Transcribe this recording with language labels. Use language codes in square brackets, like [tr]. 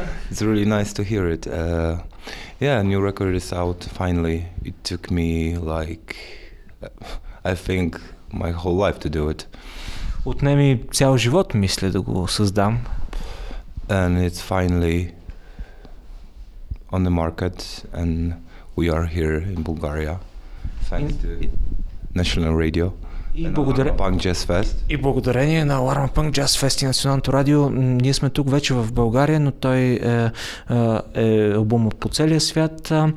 [en] it's really nice to hear it. Yeah, new record is out finally. It took me like, I think, my whole life to do it. [bg] Отне ми цял живот, мисля, да го създам. [en] And it's finally on the market and we are here in Bulgaria thanks to National Radio and Alarm Punk Jazz Fest. [bg] И благодарение на Alarm Punk Jazz Fest и Националното радио, ние сме тук вече в България, но той е албумът по целия свят.